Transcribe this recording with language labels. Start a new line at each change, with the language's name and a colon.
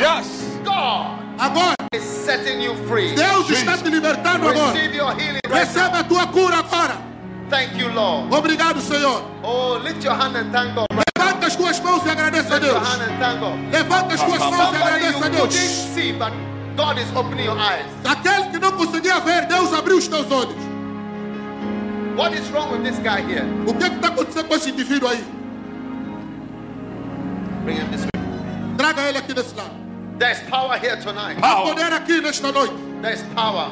English: Yes. God.
Portuguese: Agora.
English: Is setting you free.
Portuguese: Deus Jesus. Está te libertando agora.
English: Receive your healing.
Portuguese: Receba
English: right
Portuguese: a tua cura agora.
English: Thank you, Lord.
Portuguese: Obrigado, Senhor.
English: Oh, lift your hand and thank God. Right?
Portuguese: Levanta as tuas mãos e agradeça a Deus.
English: Lift your hand and thank God.
Portuguese: Levanta as tuas mãos e agradeça a Deus.
English: You couldn't see, but God is opening your eyes.
Portuguese: Aquele que não conseguia ver, Deus abriu os teus olhos.
English: What is wrong with this guy here?
Portuguese: O que está acontecendo com esse indivíduo aí?
English: Bring him this way.
Portuguese: Traga ele aqui desse lado.
English: There's power here tonight. Power.
Portuguese: Há poder aqui nesta noite.
English: There's power.